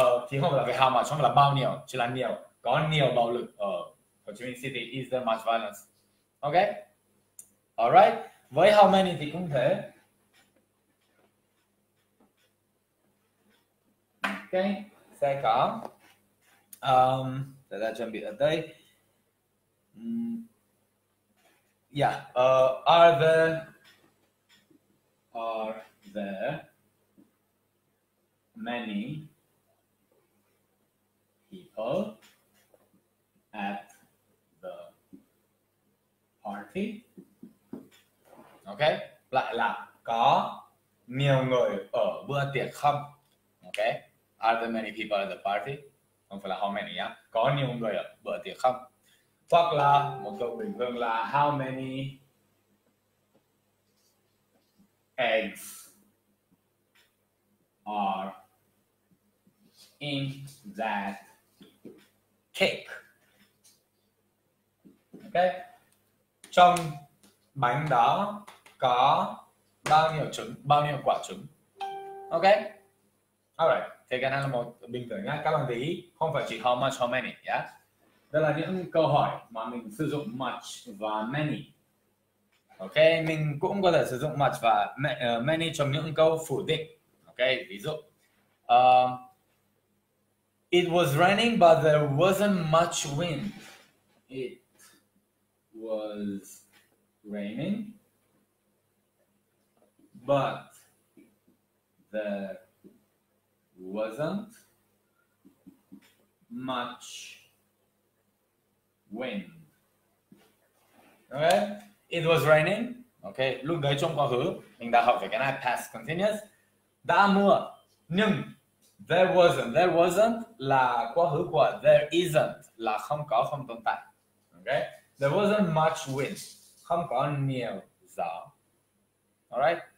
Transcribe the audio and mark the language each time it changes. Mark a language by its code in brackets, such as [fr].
[vi] Thì không là về how much, không là bao nhiêu, chỉ là nhiều. Có nhiều bạo lực ở Hồ Chí Minh City, is there much violence? Ok, alright. Với how many thì cũng thế. Ok, sẽ có để ta chuẩn bị ở đây. [en] Yeah, are there many people at the party? [vi] Ok, lại là có nhiều người ở bữa tiệc không? [en] Ok, are there many people at the party? [vi] Không phải là how many nhá, có nhiều người ở bữa tiệc không? Hoặc là một câu bình thường là how many eggs are in that cake? Ok, trong bánh đó có bao nhiêu trứng, bao nhiêu quả trứng? Ok, alright. Thì cái này là một bình thường nhá, các bạn để ý không phải chỉ how much, how many nhá. Đây là những câu hỏi mà mình sử dụng much và many. Ok, mình cũng có thể sử dụng much và many trong những câu phủ định. [en] Ok, ví dụ it was raining but there wasn't much wind. It was raining but there wasn't much wind. Okay. It was raining. Okay. [vi] Lúc đấy trong quá khứ, mình đã học về cái này past continuous. Đã mưa. Nhưng there wasn't. There wasn't là quá khứ của there isn't, là không có, không tồn tại. Okay. There wasn't much wind. Không có nhiều gió. Alright.